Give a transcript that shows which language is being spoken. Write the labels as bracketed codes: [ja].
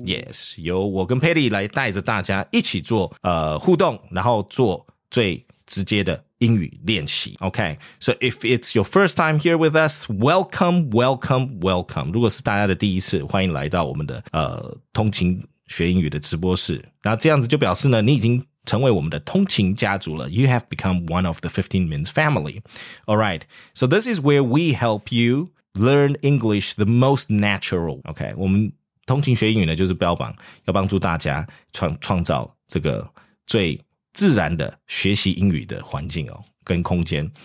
[zh] yes， 由我跟 Patty 来带着大家一起做互动，然后做最直接的英语练习。 [en] OK， so if it's your first time here with us， welcome， welcome， welcome。 [zh] 如果是大家的第一次，欢迎来到我们的通勤学英语的直播室。那这样子就表示呢，你已经成为我们的通勤家族了。 [en] You have become one of the 15 Minutes family. Alright, so this is where we help you learn English the most natural. [zh] OK, 我们通勤学英语呢，就是标榜要帮助大家 创造这个最自然的学习英语的环境哦，跟空间。